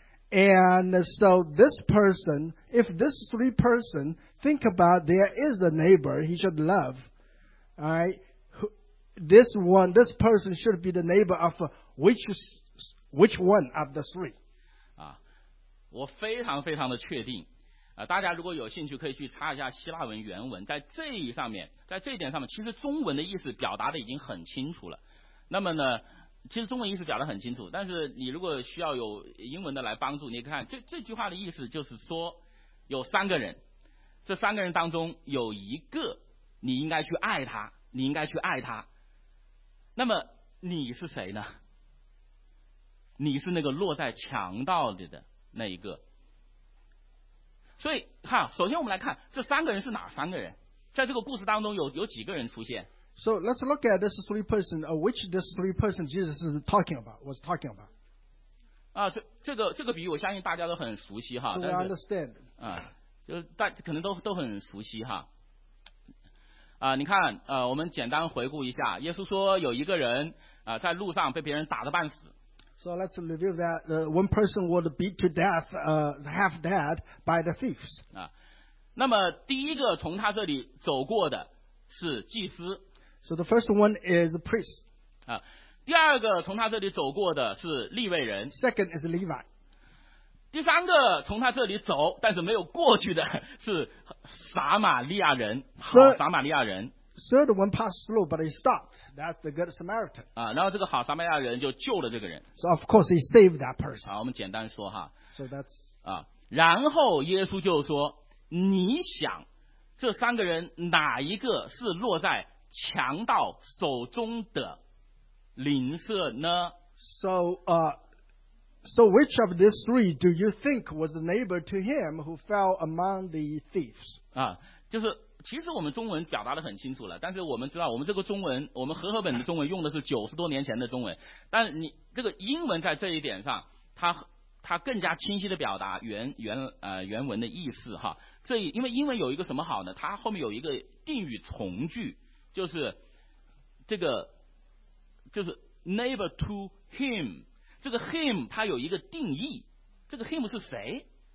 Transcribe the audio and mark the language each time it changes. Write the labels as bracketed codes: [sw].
[en] And so this person, if this three person think about there is a neighbor he should love, right? This person should be the neighbor of which one of the three? [zh] 啊，我非常非常的确定，大家如果有兴趣可以去查一下希腊文原文，在这一上面，在这一点上面，其实中文的意思表达的已经很清楚了。那么呢？其实中文意思表达很清楚，但是你如果需要有英文的来帮助，你看这句话的意思就是说，有三个人，这三个人当中有一个你应该去爱他，你应该去爱他。那么你是谁呢？你是那个落在强盗里的那一个。所以哈，首先我们来看这三个人是哪三个人，在这个故事当中有几个人出现。 [en] So let's look at this three person, which this three person Jesus is talking about, was talking about. [zh] 啊，这个比喻我相信大家都很熟悉哈。 [en] So I understand. [zh] 啊，就大可能都很熟悉哈。你看我们简单回顾一下，耶稣说有一个人在路上被别人打得半死。 [en] So let's review that one person would beat to death half dead by the thieves. [zh] 那么第一个从他这里走过的是祭司。 [en] So the first one is a priest. [zh] 第二个从他这里走过的是利未人。 [en] Second is a Levite. [zh] 第三个从他这里走但是没有过去的是撒玛利亚人。撒玛利亚人。 [en] Third one passed through, but he stopped. That's the good Samaritan. [zh] 然后这个好撒玛利亚人就救了这个人。 [en] So of course he saved that person. [zh] 好，我们简单说哈。 [en] So that's [zh] 然后耶稣就说，你想这三个人哪一个是落在强盗手中的邻舍呢？ [en] So which of these three do you think was the neighbor to him who fell among the thieves? [zh] 就是。其实我们中文表达得很清楚了，但是我们知道我们这个中文，我们和合本的中文用的是90多年前的中文，但你这个英文在这一点上它更加清晰地表达原文的意思哈。这因为英文有一个什么好呢，它后面有一个定语从句，就是这个就是 [en] neighbor to him， [zh] 这个 him 它有一个定义，这个 him 是谁